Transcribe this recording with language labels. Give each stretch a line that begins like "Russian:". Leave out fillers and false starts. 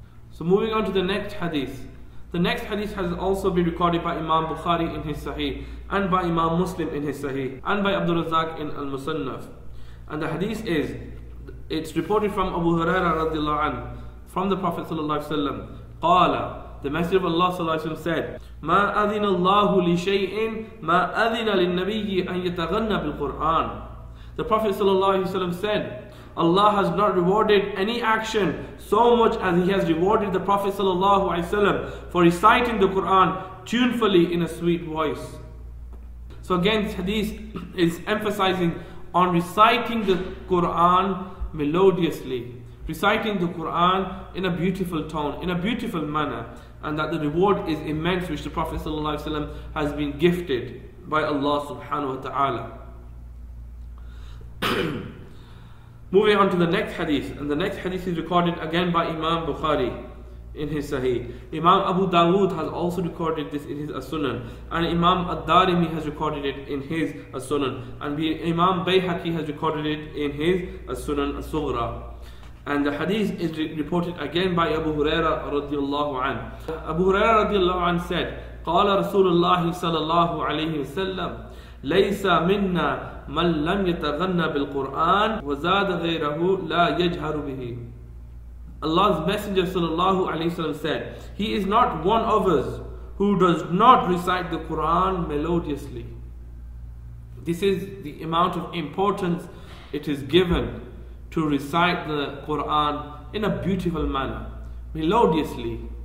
English: So moving on to the next hadith. The next hadith has also been recorded by Imam Bukhari in his Sahih, and by Imam Muslim in his Sahih, and by Abdul Razak in Al-Musannaf. And the hadith is, it's reported from Abu Huraira radiallahu anhu, from the Prophet sallallahu alaihi wasallam. Qala, the Messenger of Allah sallallahu alaihi wasallam said,
Arabic: ما أذن الله لشيء ما أذن للنبي أن يتغنى بالقرآن.
English: The Prophet sallallahu alaihi wasallam said, Allah has not rewarded any action so much as He has rewarded the Prophet sallallahu alaihi wasallam for reciting the Quran tunefully in a sweet voice. So again, this hadith is emphasizing on reciting the Quran melodiously, reciting the Quran in a beautiful tone, in a beautiful manner, and that the reward is immense which the Prophet ﷺ has been gifted by Allah subhanahu wa ta'ala. Moving on to the next hadith, and the next hadith is recorded again by Imam Bukhari in his Sahih. Imam Abu Dawood has also recorded this in his As-Sunan, and Imam Ad-Darimi has recorded it in his As-Sunan, and Imam Bayhaqi has recorded it in his As-Sunan As-Sughra. And the hadith is reported again by Abu Huraira radiallahu anhu. Abu Huraira radiallahu anhu said,
Arabic: قال رسول الله صلى الله عليه وسلم ليس منا من لم يتغنى بالقرآن وزاد غيره لا يجهر به.
English: Allah's Messenger sallallahu alaihi wasallam said, he is not one of us who does not recite the Quran melodiously. This is the amount of importance it is given to recite the Quran in a beautiful manner, melodiously.